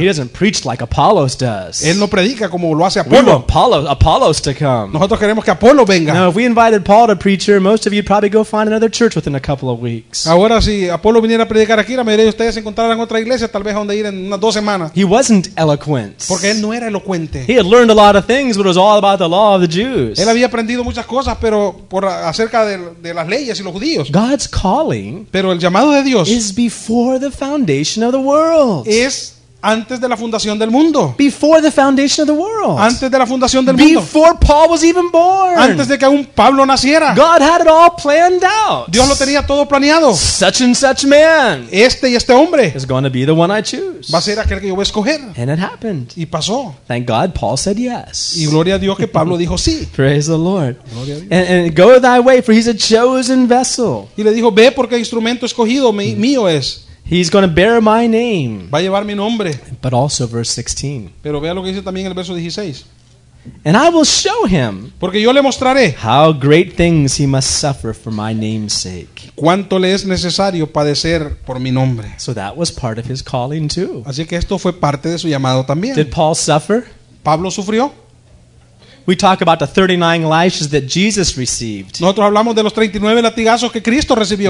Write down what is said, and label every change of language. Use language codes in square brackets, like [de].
[en] He doesn't preach like Apollos does. [es] Él no predica como lo hace Apolo. [en] We want Apollos to come. [es] Nosotros queremos que Apolo venga. [en] Now, if we invited Paul to preach here, most of you'd probably go find another church within a couple of weeks. [es] Ahora si Apolo viniera a predicar aquí, la mayoría de ustedes encontrarán otra iglesia, tal vez donde ir en unas dos semanas. [en] He wasn't eloquent. [es] Porque él no era elocuente. [en] He had learned a lot of things, but it was all about the law of the Jews. [es] Él había aprendido muchas cosas, pero por acerca de las leyes y los judíos. [en] God's calling. [es] Pero el llamado de Dios [en] is before the foundation of the world. [es] Es antes de la fundación del mundo. [en] Before the foundation of the world. [es] Antes de la fundación del [en] before [es] mundo. [en] Before Paul was even born. [es] Antes de que aún Pablo naciera. [en] God had it all planned out. [es] Dios lo tenía todo planeado. [en] Such and such man. [es] Este y este hombre. [en] Is going to be the one I choose. [es] Va a ser aquel que yo voy a escoger. [en] And it happened. [es] Y pasó. [en] Thank God, Paul said yes. [es] Y gloria a Dios que Pablo dijo sí. [en] Praise the Lord. [es] Gloria a Dios. [en] And go thy way, for he's a chosen vessel. [es] Y le dijo, ve porque instrumento escogido mío es. [en] He's going to bear my name. [es] Va a llevar mi nombre. [en] But also verse 16. [es] Pero vea lo que dice también el verso 16. [en] And I will show him. [es] Porque yo le mostraré. [en] How great things he must suffer for my name's sake. [es] Cuánto le es necesario padecer por mi nombre. [en] So that was part of his calling too. [es] Así que esto fue parte de su llamado también. [en] Did Paul suffer? [es] Pablo sufrió. [en] We talk about the 39 lashes that Jesus received. [es] Nosotros hablamos de los 39 latigazos que Cristo recibió.